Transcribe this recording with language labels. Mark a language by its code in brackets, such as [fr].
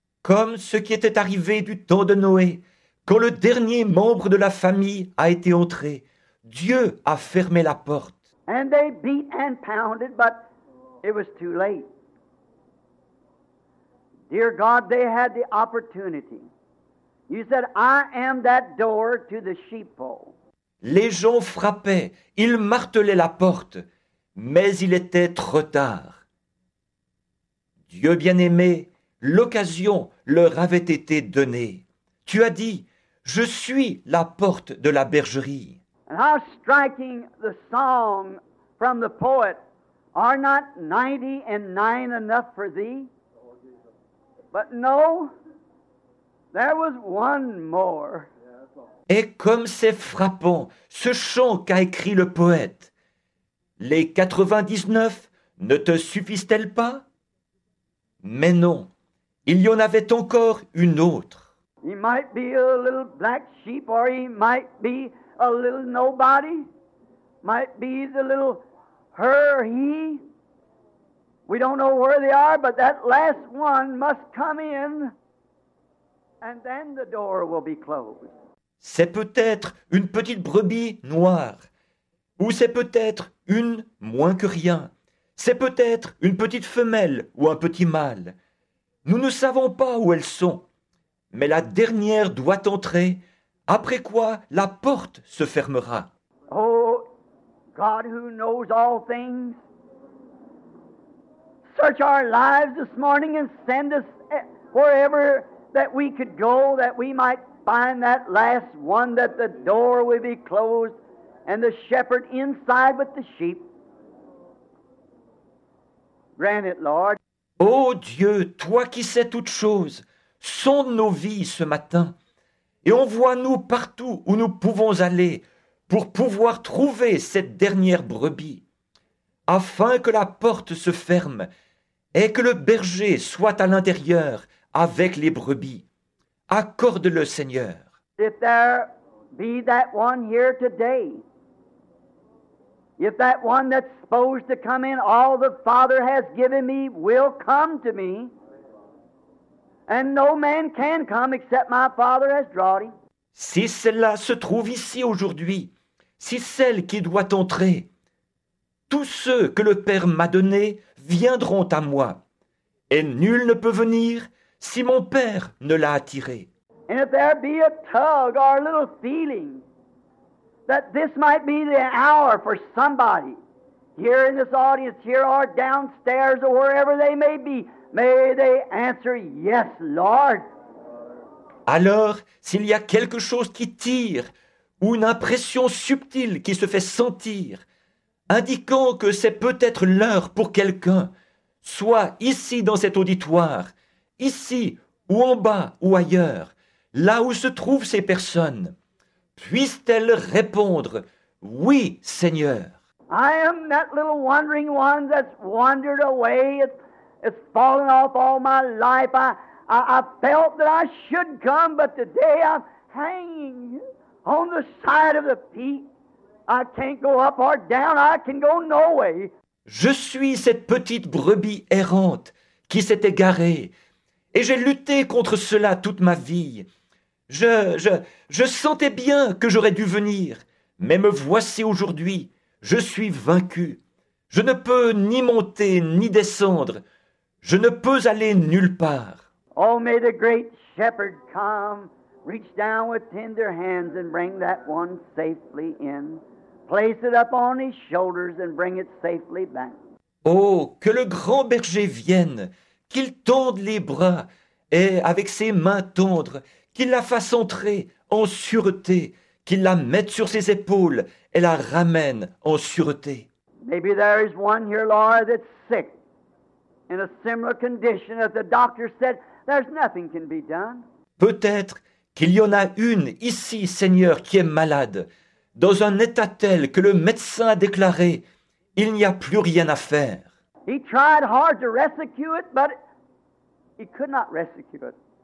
[fr] Comme ce qui était arrivé du temps de Noé, quand le dernier membre de la famille a été entré, Dieu a fermé la porte. [en] And they beat and pounded, but it was too late. Dear God, they had the opportunity. You said, I am that door to the sheepfold. [fr] Les gens frappaient, ils martelaient la porte, mais il était trop tard. Dieu bien-aimé, l'occasion leur avait été donnée. Tu as dit, je suis la porte de la bergerie. [en] And how striking the song from the poet, are not 99 enough for thee? But no, there was one more. [fr] Et comme c'est frappant, ce chant qu'a écrit le poète. Les 99 ne te suffisent-elles pas? Mais non, il y en avait encore une autre. [en] He might be a little black sheep, or he might be a little nobody. Might be the little her, he. We don't know where they are, but that last one must come in, and then the door will be closed. [fr] C'est peut-être une petite brebis noire, Ou c'est peut-être une moins que rien. C'est peut-être une petite femelle ou un petit mâle. Nous ne savons pas où elles sont. Mais la dernière doit entrer, après quoi la porte se fermera. [en] Oh, God who knows all things, search our lives this morning and send us wherever that we could go that we might find that last one that the door will be closed and the shepherd inside with the sheep. Grant it, Lord. [fr] Oh Dieu, toi qui sais toutes choses, sonde nos vies ce matin et envoie-nous partout où nous pouvons aller pour pouvoir trouver cette dernière brebis, afin que la porte se ferme et que le berger soit à l'intérieur avec les brebis. Accorde-le, Seigneur. [en] If there be that one here today, if that one that's supposed to come in, all the Father has given me will come to me, and no man can come except my Father has drawn him. [fr] Si cela se trouve ici aujourd'hui, si celle qui doit entrer, tous ceux que le Père m'a donnés viendront à moi, et nul ne peut venir si mon Père ne l'a attiré. [en] And if there be a tug or a little feeling that this might be the hour for somebody here in this audience, here or downstairs or wherever they may be, may they answer, yes, Lord. [fr] Alors, s'il y a quelque chose qui tire ou une impression subtile qui se fait sentir, indiquant que c'est peut-être l'heure pour quelqu'un, soit ici dans cet auditoire, ici ou en bas ou ailleurs, là où se trouvent ces personnes, puissent-elles répondre, oui, Seigneur. [en] I am that little wandering one that's wandered away. It's fallen off all my life. I felt that I should come, but today I'm hanging on the side of the feet. I can't go up or down. I can go no way. [fr] Je suis cette petite brebis errante qui s'est égarée, et j'ai lutté contre cela toute ma vie. Je sentais bien que j'aurais dû venir, mais me voici aujourd'hui. Je suis vaincu. Je ne peux ni monter ni descendre. Je ne peux aller nulle part. [en] Oh, may the great shepherd come, reach down with tender hands and bring that one safely in. Place it up on his shoulders and bring it safely back. [fr] Oh, que le grand berger vienne, qu'il tende les bras et avec ses mains tendres, qu'il la fasse entrer en sûreté, qu'il la mette sur ses épaules et la ramène en sûreté. [en] Maybe there is one here, Laura, that's sick. In a similar condition that the doctor said, there's nothing can be done. [fr] Peut-être qu'il y en a une ici, Seigneur, qui est malade, dans un état tel que le médecin a déclaré, il n'y a plus rien à faire. [en] He tried hard to rescue it, but he could not rescue it.